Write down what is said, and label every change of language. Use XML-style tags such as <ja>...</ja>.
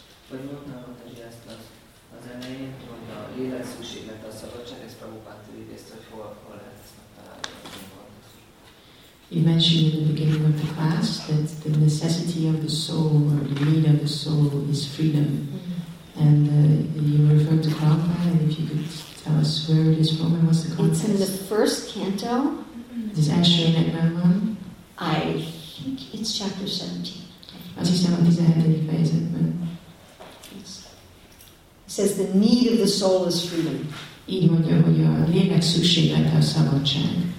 <hu>Vagy mondta, hogy ezt az elején, hogy a lélek szükséglet a szabadság, ezt Prabhupát idézte, hogy hol lehet ezt megtalálni.</hu> <en>You mentioned in the beginning of the class that the necessity of the soul or the need of the soul is freedom. And you referred to Prabhupada, and if you could tell us where it is from and what's the context. It's in the first canto. Is actually in Ekmanman? I think it's chapter 17.</en> <hu>Az hiszem, hogy 17. fejezetben.</hu> <en>It says the need of the soul is freedom.</en> <hu>Így mondja, hogy a lélek szükséglete a szabadság.</hu>